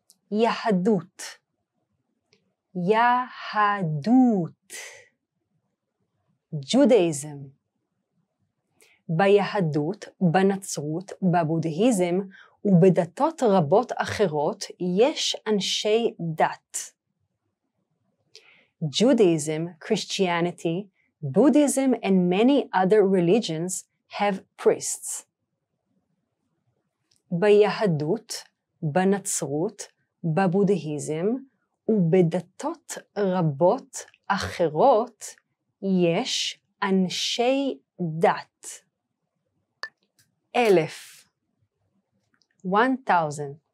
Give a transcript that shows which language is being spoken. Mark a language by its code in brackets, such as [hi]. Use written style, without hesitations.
[he] יהדות. יהדות. [en] Judaism. [he] ביהדות, בנצרות, בבודהיזם ובדתות רבות אחרות יש אנשי דת. [en] Judaism, Christianity, Buddhism and many other religions have priests. [he] ביהדות, בנצרות, בבודהיזם ובדתות רבות אחרות יש אנשי דת. אלף. 1,000.